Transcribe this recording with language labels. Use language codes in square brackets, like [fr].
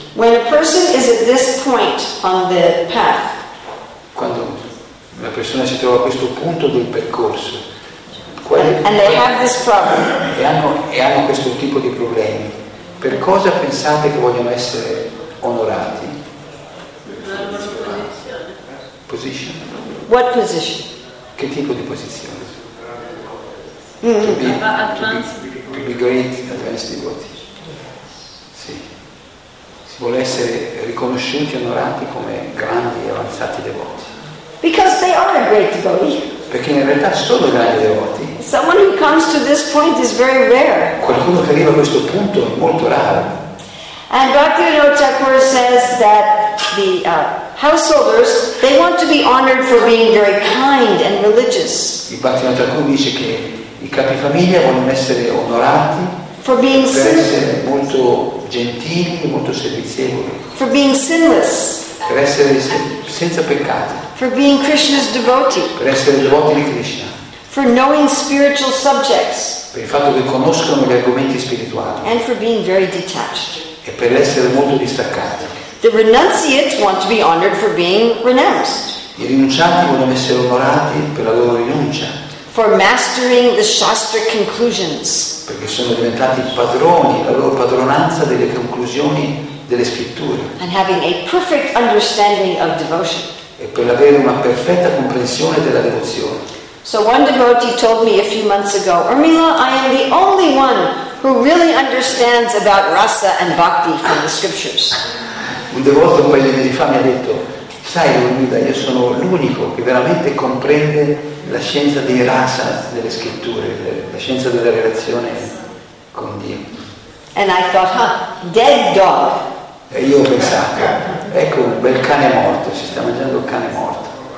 [en] when a person is at this point on the path, [it] quando una persona si trova a questo punto del percorso, [en] and they have this problem, [it] e hanno questo tipo di problemi, per cosa pensate che vogliono essere onorati? [en] Position. What position? [it] Che tipo di posizione? [en] To be great advanced devotee. Sì. [it] Si vuole essere riconosciuti e onorati come grandi e avanzati devoti. [en] Because they are great devotees. [it] Perché in realtà sono grandi devoti. [en] Someone who comes to this point is very rare. [it] Qualcuno che arriva a questo punto è molto raro. [en] And Bhaktivinoda Thakur says that the householders, they want to be honored for being very kind and religious. [it] Bhaktivinoda Thakur dice che i capi famiglia vogliono essere onorati [en] for being [it] per essere molto gentili e molto servizievoli. [en] For being sinless. [it] Per essere senza peccati. [en] For being Krishna's devotee. [it] Per essere devoti di Krishna. [en] For knowing spiritual subjects. [it] Per il fatto che conoscono gli argomenti spirituali. [en] And for being very detached. [it] E per essere molto distaccati. [en] The renunciates want to be honored for being renounced. [it] I rinuncianti vogliono essere onorati per la loro rinuncia. [en] For mastering the Shastra conclusions. [it] Perché sono diventati padroni, la loro padronanza delle conclusioni delle scritture. [en] And having a perfect understanding of devotion. [it] E per avere una perfetta comprensione della devozione. [en] So one devotee told me a few months ago, Urmila, I am the only one who really understands about rasa and bhakti from the scriptures. [it] Un devoto un paio di mesi fa mi ha detto, sai Urmila, io sono l'unico che veramente comprende la scienza di rasa delle scritture, la scienza della relazione con Dio. [en] And I thought, huh, dead dog. [it] E io ho pensato, ecco un bel cane morto, si sta mangiando il cane morto.